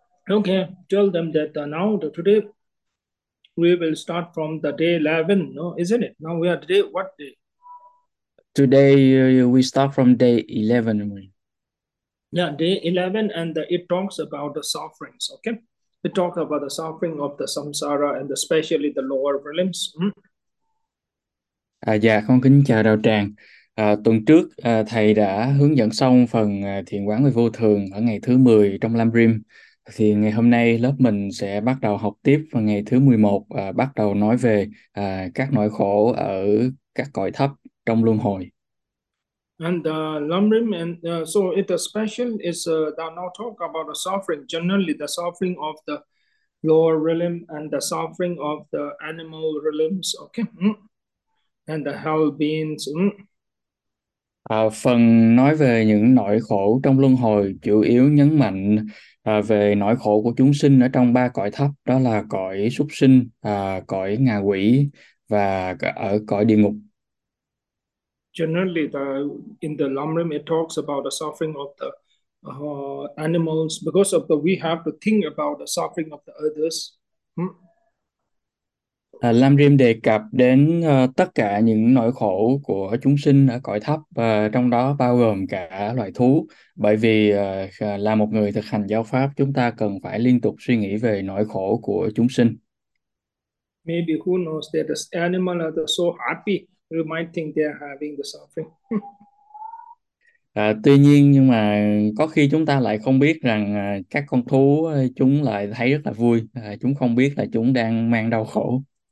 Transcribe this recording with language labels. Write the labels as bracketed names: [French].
[English] Okay, tell them that now the today we will start from the day 11, no, isn't it? Now we are today, what day? Today, we start from day 11. Yeah, day 11, and it talks about the sufferings. Okay, it talks about the suffering of the samsara and especially the lower realms. [Vietnamese] À, dạ, con kính chào đạo tràng. À, tuần trước thầy đã hướng dẫn xong phần thiền quán về vô thường ở ngày thứ 10 trong Lam Rim. Thì ngày hôm nay lớp mình sẽ bắt đầu học tiếp vào ngày thứ 11, bắt đầu nói về các nỗi khổ ở các cõi thấp trong luân hồi. [English] And Lamrim, and so it special is that now talk about the suffering, generally the suffering of the lower realm and the suffering of the animal realms, okay, and the hell beings. [Vietnamese] À, phần nói về những nỗi khổ trong luân hồi chủ yếu nhấn mạnh về nỗi khổ của chúng sinh ở trong ba cõi thấp, đó là cõi súc sinh, cõi ngạ quỷ và ở cõi địa ngục. [English] Generally, in the Lamrim, it talks about the suffering of the animals because of the we have to think about the suffering of the others. [Vietnamese] Lam Rim đề cập đến tất cả những nỗi khổ của chúng sinh ở cõi thấp, trong đó bao gồm cả loài thú. Bởi vì là một người thực hành giáo pháp, chúng ta cần phải liên tục suy nghĩ về nỗi khổ của chúng sinh. [English] Maybe who knows that this animal are so happy. You might think they are having the suffering. [Vietnamese] Tuy nhiên, nhưng mà có khi chúng ta lại không biết rằng các con thú chúng lại thấy rất là vui. Chúng không biết là chúng đang mang đau khổ.